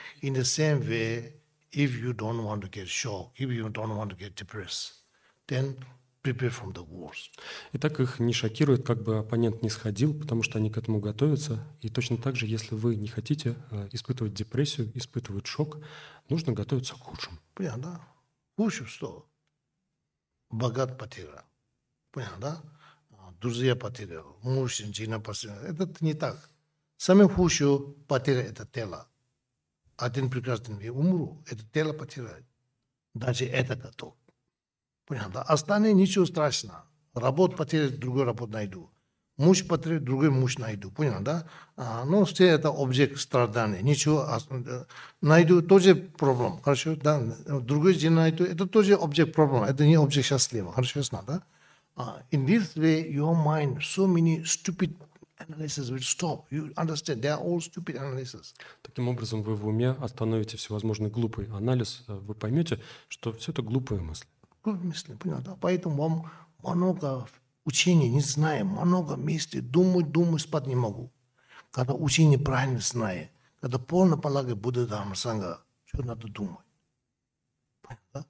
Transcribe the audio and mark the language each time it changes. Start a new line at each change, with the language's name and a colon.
English: In the same way, if you don't want to get shocked, if you don't want to get depressed, then prepare from the worst.
Russian: И так их не шокирует, как бы оппонент не сходил, потому что они к этому готовятся. И точно так же, если вы не хотите испытывать депрессию, испытывать шок, нужно готовиться к худшему. Понятно, да? Худшее что? Богат потерял. Понятно, да? Друзья потерял. Муж, жена потерял. Это не так. Самое худшее – потеря – это тело. Один прекрасный день умру – это тело потеряет. Даже это готов. Понятно? Остальное – ничего страшного. Работу потеряю – другую работу найду. Муж потеряю – другой муж найду. Понятно, да? Но все это объект страдания. Ничего найду – тоже проблема. Хорошо? Да? Другой день найду – это тоже объект проблема. Это не объект счастливого. Хорошо? Ясно, да?
English: In this way, your mind – so many stupid analysis will stop. You understand? They are all stupid analysis.
Russian: Таким образом, вы в уме остановите всевозможный глупый анализ. Вы поймете, что все это глупые мысли. Глупые мысли, понятно. Да? Поэтому вам много учений не знаем, много мыслей, думаю, спать не могу. Когда учение правильно знаю, когда полно полагает Будда, Дхамма, Сангха, что надо думать? Да?